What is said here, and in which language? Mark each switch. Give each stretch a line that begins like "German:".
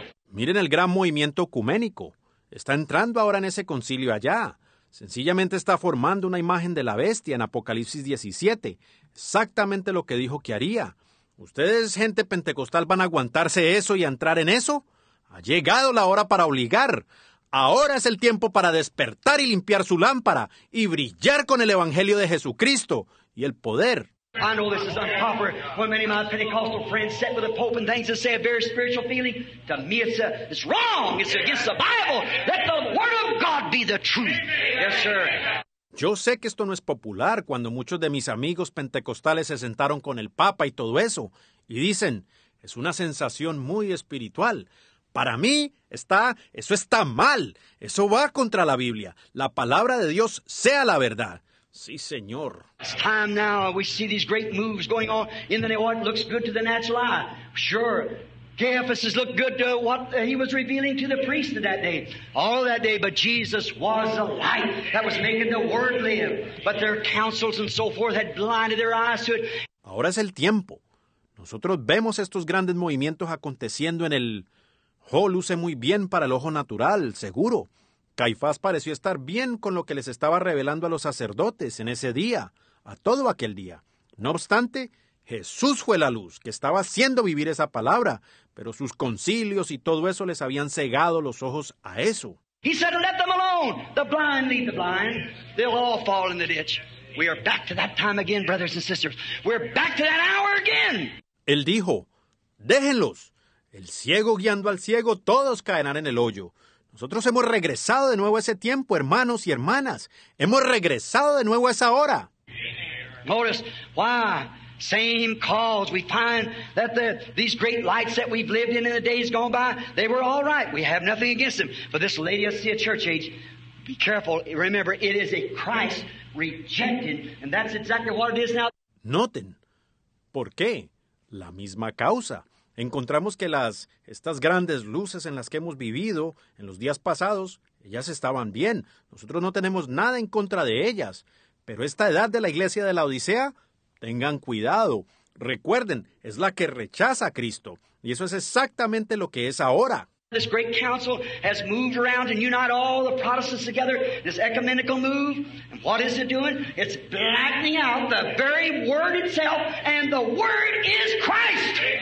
Spanish: Miren el gran movimiento ecuménico. Está entrando ahora en ese concilio allá. Sencillamente está formando una imagen de la bestia en Apocalipsis 17. Exactamente lo que dijo que haría. ¿Ustedes, gente pentecostal, van a aguantarse eso y a entrar en eso? Ha llegado la hora para obligar. Ahora es el tiempo para despertar y limpiar su lámpara y brillar con el Evangelio de Jesucristo y el poder.
English: I know this is improper when many of my Pentecostal friends sit with the Pope and things and say a very spiritual feeling. To me, it's wrong. It's against the Bible. Let the Word of God be the truth. Yes, sir.
Spanish: Yo sé que esto no es popular cuando muchos de mis amigos pentecostales se sentaron con el Papa y todo eso, y dicen, es una sensación muy espiritual. Para mí, eso está mal. Eso va contra la Biblia. La palabra de Dios sea la verdad. Sí, señor.
English: It's time now. We see these great moves going on in the what looks good to the natural eye. Sure, Caiaphas has looked good to what he was revealing to the priest of that day, all that day. But Jesus was the light that was making the Word live. But their councils and so forth had blinded their eyes to it.
Spanish: Ahora es el tiempo. Nosotros vemos estos grandes movimientos aconteciendo en el. Oh, luce muy bien para el ojo natural, seguro. Caifás pareció estar bien con lo que les estaba revelando a los sacerdotes en ese día, a todo aquel día. No obstante, Jesús fue la luz que estaba haciendo vivir esa palabra, pero sus concilios y todo eso les habían cegado los ojos a eso.
English: He said, let them alone. The blind lead the blind. They'll all fall in the ditch. We are back to that time again, brothers and sisters. We're back to that hour again.
Spanish: Él dijo, déjenlos. El ciego guiando al ciego, todos caerán en el hoyo. Nosotros hemos regresado de nuevo a ese tiempo, hermanos y hermanas. Hemos regresado de nuevo a esa hora.
English: Notice why same cause we find that these great lights that we've lived in the days gone by, they were all right. We have nothing against them. But this Laodicea church age, be careful. Remember, it is a Christ rejected, and that's exactly what it is now.
Spanish: Noten, ¿por qué? La misma causa. Encontramos que estas grandes luces en las que hemos vivido en los días pasados, ellas estaban bien. Nosotros no tenemos nada en contra de ellas. Pero esta edad de la iglesia de la Odisea, tengan cuidado. Recuerden, es la que rechaza a Cristo. Y eso es exactamente lo que es ahora.
English: This great council has moved around and unite all the Protestants together, this ecumenical move. And what is it doing? It's blackening out the very word itself, and the word is Christ.